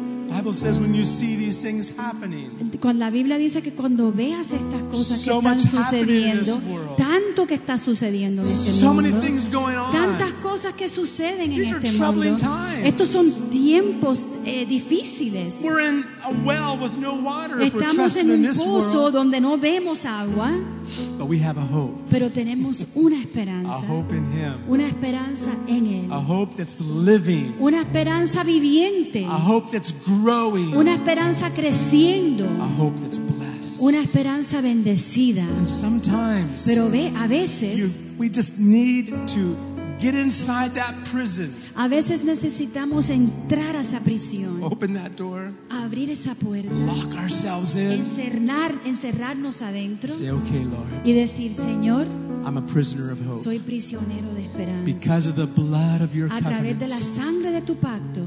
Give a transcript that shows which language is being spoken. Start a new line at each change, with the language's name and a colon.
English: Bible says when you see these things happening,
Spanish: cuando la Biblia dice que cuando veas estas cosas
English: so
Spanish: que están sucediendo, tanto que está sucediendo en este
English: so
Spanish: mundo,
English: many things going on.
Spanish: Tantas cosas que suceden
English: these
Spanish: en este mundo, estos son tiempos difíciles.
English: We're in a well with no water.
Spanish: Estamos
English: if we're
Spanish: en un pozo donde no vemos agua,
English: but we have a hope.
Spanish: Pero tenemos una esperanza,
English: a hope in him.
Spanish: Una esperanza en él,
English: a hope that's living.
Spanish: Una esperanza viviente,
English: a hope that's growing.
Spanish: Una esperanza creciendo,
English: a hope that's blessed.
Spanish: Una esperanza bendecida.
English: And sometimes,
Spanish: pero ve, a veces,
English: we just need to get inside that prison.
Spanish: A veces necesitamos entrar a esa prisión.
English: Open that door.
Spanish: Abrir esa puerta.
English: Lock ourselves in.
Spanish: Encerrarnos adentro.
English: Say, "Okay, Lord."
Spanish: Y decir, "Señor,
English: I'm a prisoner of hope.
Spanish: Soy prisionero de esperanza.
English: Because of the blood of your covenant.
Spanish: A través de la sangre de tu pacto.